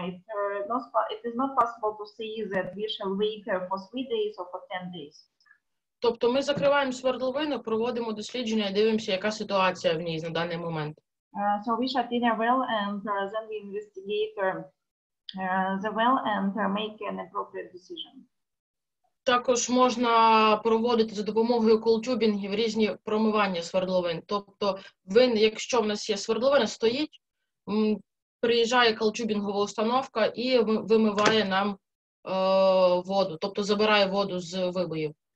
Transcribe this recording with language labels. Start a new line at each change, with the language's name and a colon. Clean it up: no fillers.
English: It is not possible to say that we shall wait for 3 days or for 10 days.
Ukrainian: Тобто ми закриваємо свердловину, проводимо дослідження і дивимося, яка ситуація в ній на даний момент.
English: So we shut in a well and then we investigate the well and make an appropriate decision.
Ukrainian: Також можна проводити за допомогою колтюбінгів різні промивання свердловин. Тобто якщо в нас є свердловина, стоїть, приїжджає колтюбінгова установка і вимиває нам воду, тобто забирає воду з вибоїв.